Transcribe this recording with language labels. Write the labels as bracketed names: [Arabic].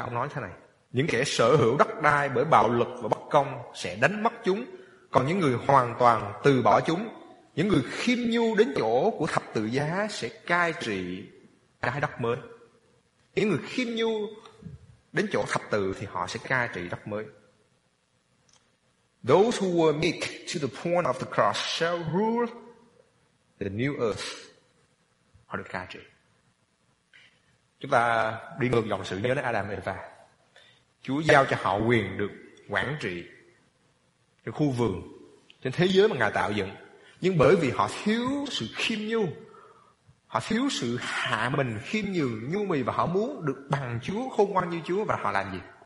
[Vietnamese] Ông nói thế này: những kẻ sở hữu đất đai bởi bạo lực và bất công sẽ đánh mất chúng, còn những người hoàn toàn từ bỏ chúng, những người khiêm nhu đến chỗ của thập tự giá, sẽ cai trị cái đất mới. Những người khiêm nhu đến chỗ thập tự thì họ sẽ cai trị đất mới. [English] Those who were meek to the point of the cross shall rule the new earth. [Vietnamese] Họ được cai trị. Chúng ta đi ngược dòng sự, nhớ đến Adam và Eva. Chúa giao cho họ quyền được quản trị cái khu vườn trên thế giới mà Ngài tạo dựng. Nhưng bởi vì họ thiếu sự khiêm nhu, họ thiếu sự hạ mình, khiêm nhường, nhu mì, và họ muốn được bằng Chúa, khôn ngoan như Chúa, và họ làm gì?